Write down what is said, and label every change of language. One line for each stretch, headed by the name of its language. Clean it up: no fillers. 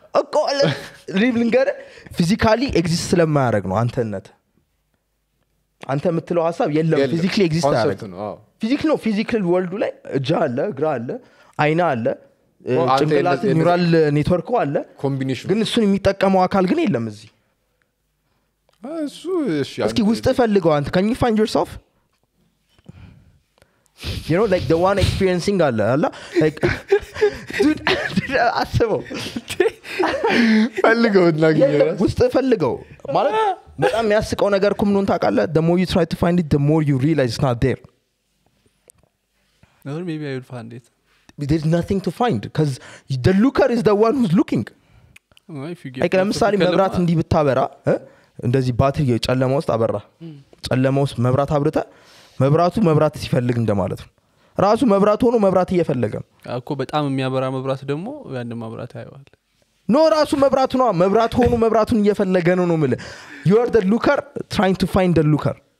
Amharic: እኮ ሪብሊንገር ፊዚካሊ ኤግዚስት ስለማያረግ ነው አንተነት አንተ የምትለው ሐሳብ የለም ፊዚካሊ ኤግዚስት አያረግ ነው አዎ ፊዚክ ነው ፊዚካል ወርልዱ ላይ እጃ አለ እግራ አለ አይና አለ ጭንቅላት ኒውራል ኔትወርክ አለ ኮምቢኔሽን ግን እሱን የሚጠቀመው አካል ግን የለም እዚህ እሱ እሺ እስኪ ውስጥ ፈልገው አንተ
English: can you find yourself you know like the one experiencing all that like dude asabo
Amharic: ፈልገው እንደገና ውስጥ ፈልገው ማለት በጣም የሚያስቀው ነገር ኩም ነው ታውቃለህ
English: the more you try to find it the more you realize it's not there Or maybe I would find it. There's nothing to find because the looker is the one who's looking. If you get
Amharic: like ለምሳሌ መብራት እንዲ ብታበራ እንደዚህ ባትሪ የጨለማ ውስጥ አበራ ጨለማ ውስጥ መብራት አብርተ መብራቱ መብራት ሲፈልግ እንደማለት ነው ራሱ መብራት ሆኖ መብራት እየፈለገ እኮ በጣም የሚያበራ መብራት ደግሞ ያን መብራት አይዋል ኖ ራሱ መብራት ነው መብራት ሆኖ መብራቱን እየፈለገ ነው ነው ማለት
English: you are the looker
Amharic: trying to find the looker